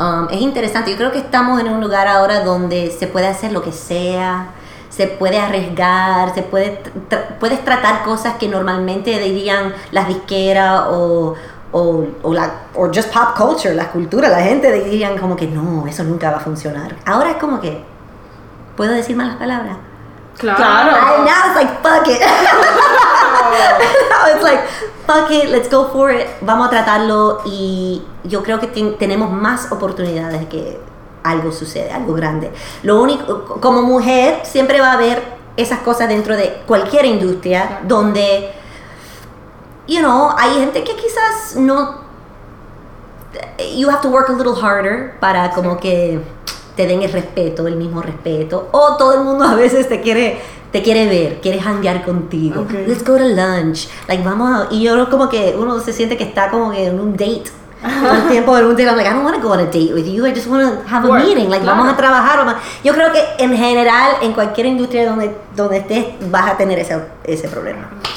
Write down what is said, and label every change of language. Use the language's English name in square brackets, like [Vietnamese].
[Spanish] Es interesante, yo creo que estamos en un lugar ahora donde se puede hacer lo que sea, se puede arriesgar, se puede puedes tratar cosas que normalmente dirían las disqueras o [English] just pop culture, [Spanish] la cultura, la gente dirían como que no, eso nunca va a funcionar. Ahora es como que ¿Puedo decir malas palabras? Claro. [English] And now it's like, fuck it. Now it's like, fuck it, let's go for it. [Spanish] Vamos a tratarlo y yo creo que tenemos más oportunidades de que algo sucede, algo grande. Lo único, como mujer, siempre va a haber esas cosas dentro de cualquier industria donde, [English] you know, [Spanish] hay gente que quizás no... [English] You have to work a little harder [Spanish] para como que te den el respeto, el mismo respeto. O todo el mundo a veces te quiere ver, quiere janguear contigo. [English] Okay. Let's go to lunch. Like, [Spanish] vamos a... Y yo como que uno se siente que está como que en un date. Todo el tiempo en un date. [English] I'm like, I don't want to go on a date with you. I just want to have a meeting. Like, [Spanish] vamos a trabajar. Yo creo que en general, en cualquier industria donde estés, vas a tener ese problema.